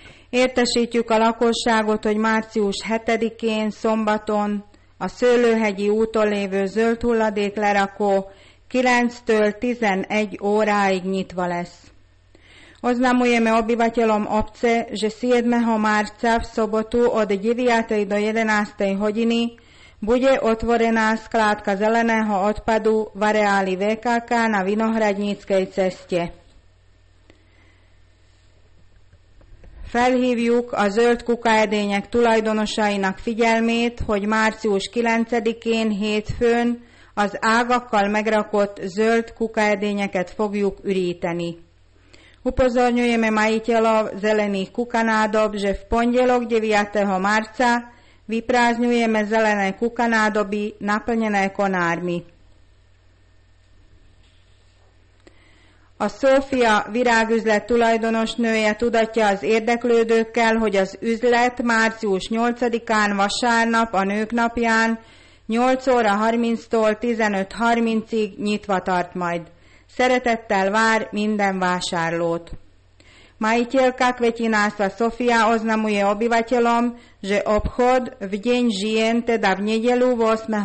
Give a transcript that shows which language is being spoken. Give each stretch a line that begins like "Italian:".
Hungarian: Értesítjük a lakosságot, hogy március 7-én szombaton a Szőlőhegyi úton lévő zöld hulladék lerakó 9-től 11 óráig nyitva lesz.
Slovak: Oznamujeme obyvateľom obce, že 7. marca v sobotu od 9. do 11. hodiny bude otvorená skládka zeleného odpadu v areáli VKK na Vinohradníckej ceste.
Hungarian: Felhívjuk a zöld kukaedények tulajdonosainak figyelmét, hogy március 9-én hétfőn az ágakkal megrakott zöld kukaedényeket fogjuk üríteni.
Slovak: Upozorňujeme majiteľov zelených kukanádob, že v pondelok 9. marca vyprázdňujeme zelené kukanádoby naplnené konármi.
Hungarian: A Szófia virágüzlet tulajdonosnője tudatja az érdeklődőkkel, hogy az üzlet március 8-án vasárnap a nők napján 8 óra 30-tól 15.30-ig nyitva tart majd. Szeretettel vár minden vásárlót.
Slovak: Majiteľka kvetinárstva Sofia oznamuje obyvateľom, že obchod v deň žien, teda v nedeľu 8.